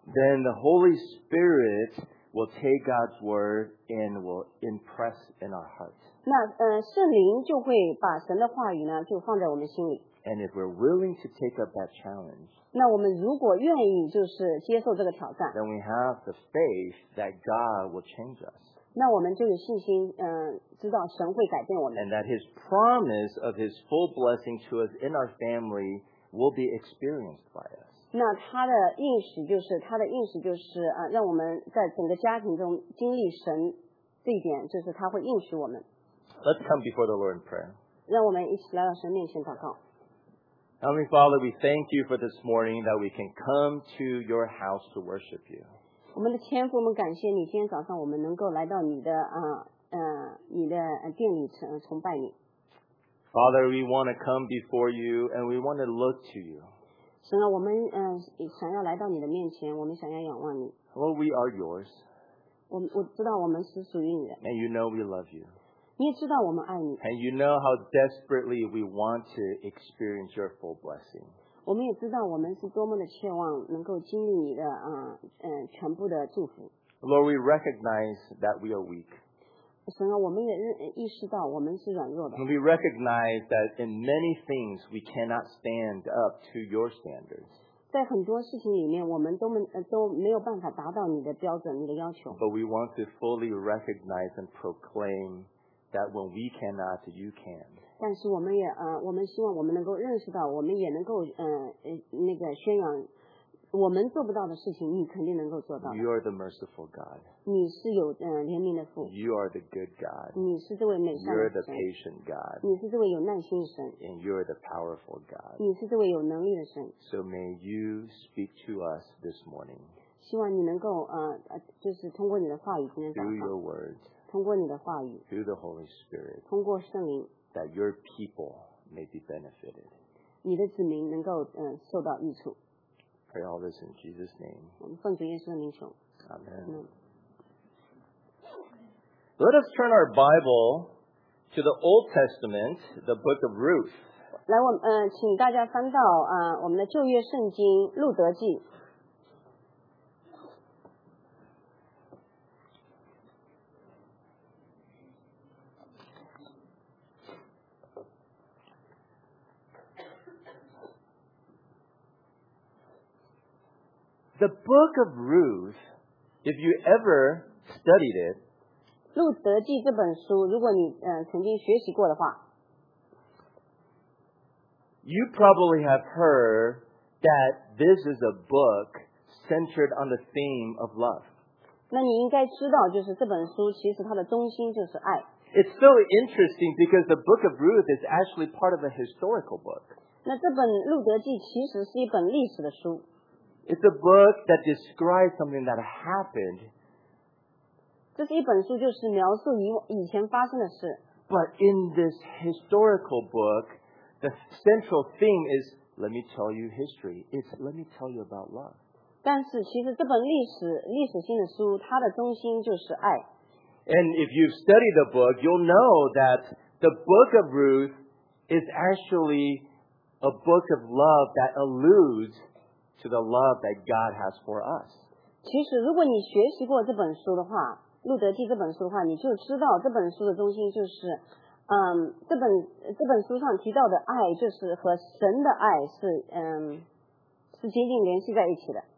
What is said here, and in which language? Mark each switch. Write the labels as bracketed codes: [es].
[en] then the Holy Spirit will take God's word and will impress in our hearts. [zh] 那圣灵就会把神的话语呢就放在我们心里。 [en] And if we're willing to take up that challenge, [zh] 那我们如果愿意就是接受这个挑战, [en] then we have the faith that God will change us. [zh] 那我们就有信心, 知道神会改变我们。 [en] And that His promise of His full blessing to us in our family will be experienced by us. [zh] 那他的应许就是, 他的应许就是, 让我们在整个家庭中经历神这一点, 就是他会应许我们。 [en] Let's come before the Lord in prayer. [zh] 让我们一起来到神面前祷告。 [en] Heavenly Father, we thank you for this morning that we can come to your house to worship you. [zh] 我们的天父，我们感谢你，今天早上我们能够来到你的你的殿里崇拜你。 [en] Father, we want to come before you and we want to look to you. [zh] 神啊，我们想要来到你的面前，我们想要仰望你。 [en] Lord, we are yours. [zh] 我知道我们是属于你的。 [en] And you know we love you. [zh] 你也知道我们爱你。 [en] And you know how desperately we want to experience your full blessing. [zh] 我们也知道我们是多么的切望能够经历你的全部的祝福。 [en] Lord, we recognize that we are weak. [zh] 神啊，我们也意识到我们是软弱的。 [en] And we recognize that in many things we cannot stand up to your standards. [zh] 在很多事情里面，我们都没有办法达到你的标准、你的要求。 [en] But we want to fully recognize and proclaim. That when we cannot, you can. [zh] 但是我们也我们希望我们能够认识到，我们也能够那个宣扬，我们做不到的事情，你肯定能够做到。 [en] You are the merciful God. [zh] 你是有怜悯的父。 [en] You are the good God. [zh] 你是这位美善的神。 [en] You are the patient God. [zh] 你是这位有耐心的神。 [en] And you are the powerful God. [zh] 你是这位有能力的神。 [en] So may you speak to us this morning. [zh] 希望你能够就是通过你的话语今天早上。 [en] Through your words. [zh] 通过你的话语 [en] through the Holy Spirit, [zh] 通过圣灵 [en] that your people may be benefited. [zh] 你的子民能够受到益处 [en] Pray all this in Jesus' name. [zh] 我们奉主耶稣的名求 [en] Amen. Amen. Let us turn our Bible to the Old Testament, the book of Ruth. [zh] 来我请大家翻到我们的旧约圣经路德记 [en] The book of Ruth, if you ever studied it, [zh] 路德记这本书，如果你曾经学习过的话 [en] you probably have heard that this is a book centered on the theme of love. [zh] 那你应该知道，就是这本书其实它的中心就是爱。 [en] It's so interesting because the book of Ruth is actually part of a historical book. [zh] 那这本路德记其实是一本历史的书。 [en] It's a book that describes something that happened. [zh] 这是一本书，就是描述以前发生的事。 [en] But in this historical book, the central theme is, let me tell you history. It's let me tell you about love. [zh] 但是其实这本历史性的书，它的中心就是爱。 [en] And if you've studied the book, you'll know that the book of Ruth is actually a book of love that alludes to the love that God has for us. [zh] 其实如果你学习过这本书的话，路德记这本书的话，你就知道这本书的中心就是，这本书上提到的爱，就是和神的爱是紧紧联系在一起的。